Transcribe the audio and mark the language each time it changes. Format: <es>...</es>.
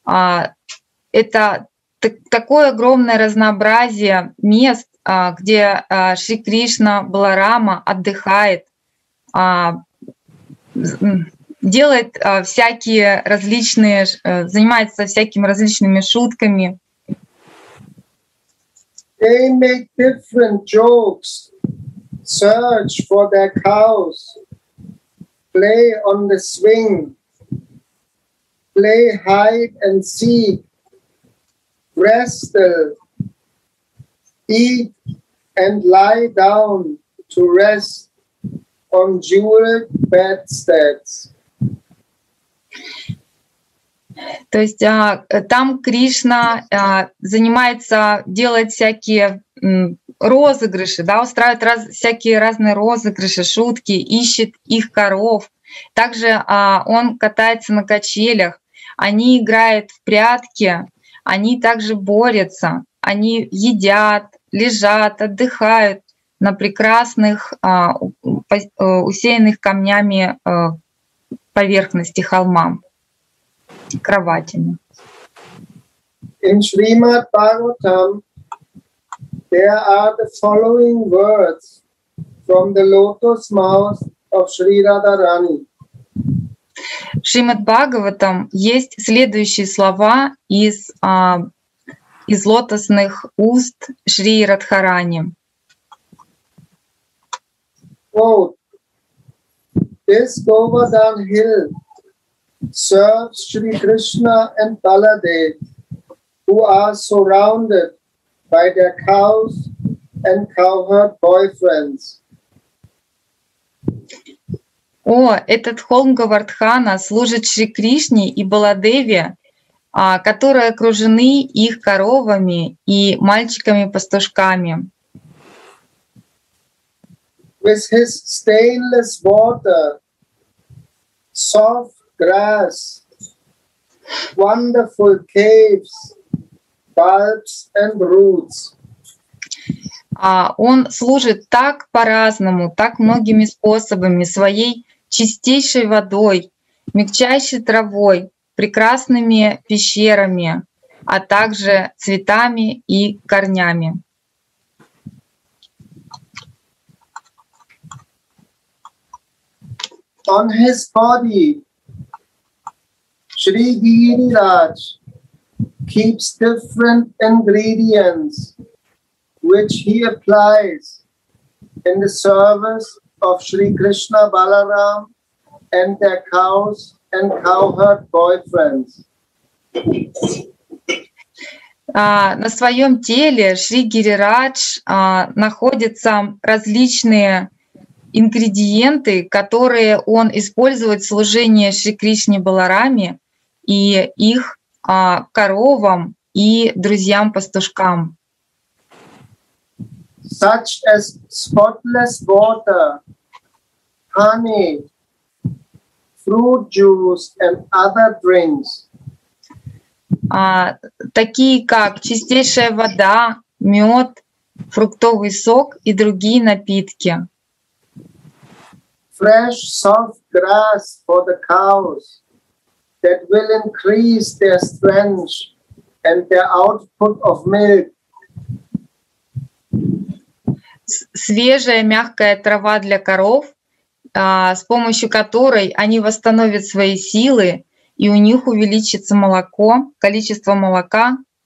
<ru>— это такое огромное разнообразие мест, где Шри Кришна Баларама отдыхает, делает всякие различные, занимается всякими различными шутками.</ru> <en>They make different jokes, search for their cows, play on the swing, play hide and seek, wrestle, eat and lie down to rest on jeweled bedsteads.</en> <ru>То есть там Кришна занимается, делает всякие розыгрыши, да, устраивает всякие разные розыгрыши, шутки, ищет их коров. Также он катается на качелях, они играют в прятки, они также борются, они едят, лежат, отдыхают на прекрасных, усеянных камнями поверхности холма. Кроватями.</ru> <en>In Srimad Bhagavatam there are the following words from the lotus mouth of Sri Radharani.</en> <ru>В Шримад Бхагаватам есть следующие слова из из лотосных уст Шри Радхарани.</ru> <en>This Govardhan hill serves Shri Krishna and Baladev, who are surrounded by their cows and cowherd boyfriends.</en> <ru>О, этот холм Говардхана служит Шри Кришне и Баладеве, которые окружены их коровами и мальчиками-пастушками.</ru> <en>With his stainless water, soft grass, wonderful caves, bulbs and roots.</en> <ru>Он служит так по-разному, так многими способами, своей чистейшей водой, мягчайшей травой, прекрасными пещерами, а также цветами и корнями.</ru> <en>On his body, Shri Giriraj keeps different ingredients which he applies in the service of Shri Krishna Balaram and their cows and cowherd boyfriends.</en> <ru>На своем теле Шри Гирирадж находятся различные ингредиенты, которые он использует в служении Шри Кришне Балараме и их коровам и друзьям-пастушкам.</ru> <en>Such as spotless water, honey, fruit juice and other drinks.</en> <ru>Такие как чистейшая вода, мед, фруктовый сок и другие напитки.</ru> <en>Fresh soft grass for the cows that will increase their strength and their output of milk.</en> <ru>Свежая мягкая трава для коров, с помощью которой они восстановят свои силы и у них увеличится молоко, количество молока.</ru>